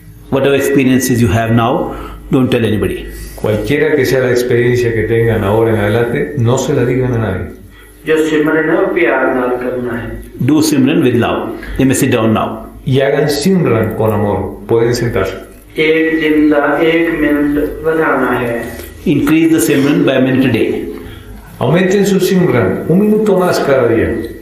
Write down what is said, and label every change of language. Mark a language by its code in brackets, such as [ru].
[en] Whatever experiences you have now, don't tell anybody. [es] Cualquiera que sea la experiencia que tengan ahora en adelante, no se la digan a nadie. [pa] Yo simran hai, pyar naal karna hai. [en] Do simran with love. They may sit down now. [es] Y hagan simran con amor. Pueden sentarse. [pa] Ek din da ek minut vadhana hai. [en] Increase the simran by a minute a day. [es] Aumenten su simran un minuto más cada día.